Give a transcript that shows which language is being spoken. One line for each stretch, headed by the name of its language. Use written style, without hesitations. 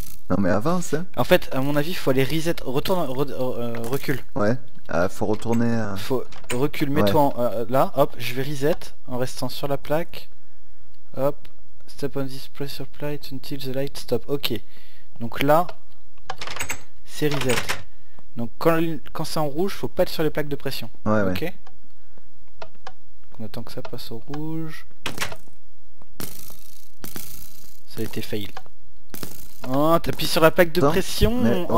French: Non mais avance, hein. En fait, à mon avis, faut aller reset. Retourne, recule. Ouais, faut retourner à... Faut recule, Ouais. mets-toi là, hop, je vais reset en restant sur la plaque.
English: Hop, step on this pressure plate until the light stop.
French: Ok, donc là, c'est reset. Donc quand c'est en rouge, faut pas être sur les plaques de pression. Ouais. Ok? On attend que ça passe au rouge. Ça a été fail. Oh, t'appuies sur la plaque de Attends, mais pression! Oh